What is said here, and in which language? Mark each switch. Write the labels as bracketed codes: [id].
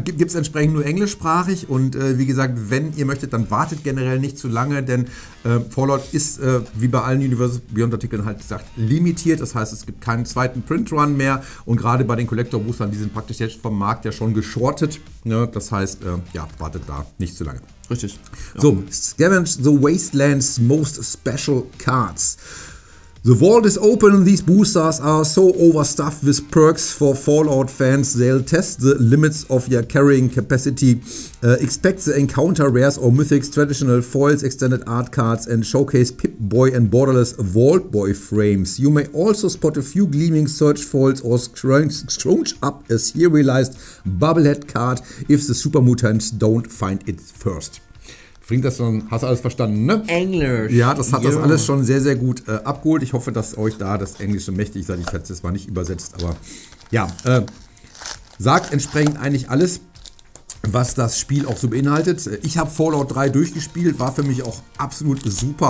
[de] Gibt es entsprechend nur englischsprachig. Und wie gesagt, wenn ihr möchtet, dann wartet generell nicht zu lange, denn Fallout ist, wie bei allen Universal Beyond Artikeln halt gesagt, limitiert. Das heißt, es gibt keinen zweiten Print-Run mehr. Und gerade bei den Collector-Boostern, die sind praktisch jetzt vom Markt ja schon geschortet. Ne? Das heißt, ja, wartet da nicht zu lange. Richtig. Ja. [en] So, scavenge the Wasteland's most special cards. The vault is open and these boosters are so overstuffed with perks for Fallout fans, they'll test the limits of your carrying capacity. Expect the encounter rares or mythics, traditional foils, extended art cards and showcase Pip-Boy and borderless Vault Boy frames. You may also spot a few gleaming search foils or scrunch up a serialized bubblehead card if the super mutants don't find it first. [de] Bringt das schon, hast du alles verstanden, ne? Englisch. Ja, das hat das alles schon sehr, sehr gut abgeholt. Ich hoffe, dass euch da das Englische mächtig seid. Ich hätte es zwar nicht übersetzt, aber ja. Sagt entsprechend eigentlich alles, was das Spiel auch so beinhaltet. Ich habe Fallout 3 durchgespielt, war für mich auch absolut super.